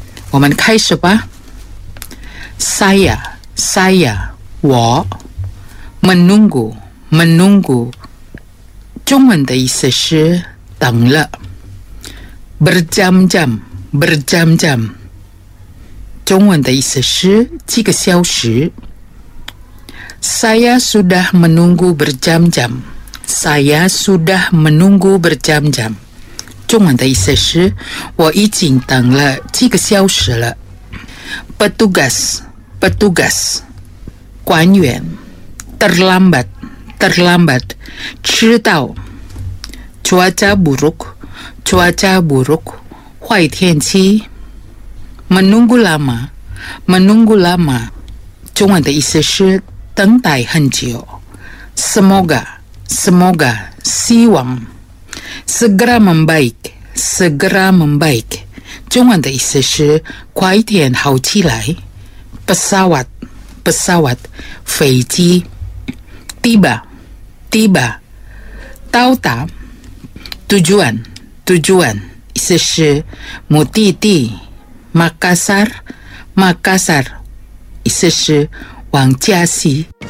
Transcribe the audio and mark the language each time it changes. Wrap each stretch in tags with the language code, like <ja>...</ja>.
<zh>我们开始吧。</zh> <id>Saya Saya 我Menunggu, menunggu.</id> <zh>中文的意思是等了。</zh> <id>Berjam-jam, berjam-jam.</id> <zh>中文的意思是几个小时。</zh> <id>Saya sudah menunggu berjam-jam. Saya sudah menunggu berjam-jam.</id> <zh>中文的意思是我已经等了几个小时了。</zh> <id>Petugas, petugas.</id> <zh>官员。</zh> <id>Terlambat, terlambat,</id> <zh>迟到。</zh> <id>Cuaca buruk, cuaca buruk,</id> <zh>坏天气。</zh> <id>Menunggu lama, menunggu lama,</id> <zh>中文的意思是等待很久。</zh> <id>Semoga, semoga,</id> <zh>希望。</zh> <id>Segera membaik, segera membaik,</id> <zh>中文的意思是快点好起来。</zh> <id>Pesawat, pesawat,</id> <zh>飞机。</zh> <id>Tiba, tiba,</id> <zh>到达</zh> <id>tujuan, tujuan,</id> <zh>意思是目的地 Makassar, Makassar, 意思是往加西。</zh>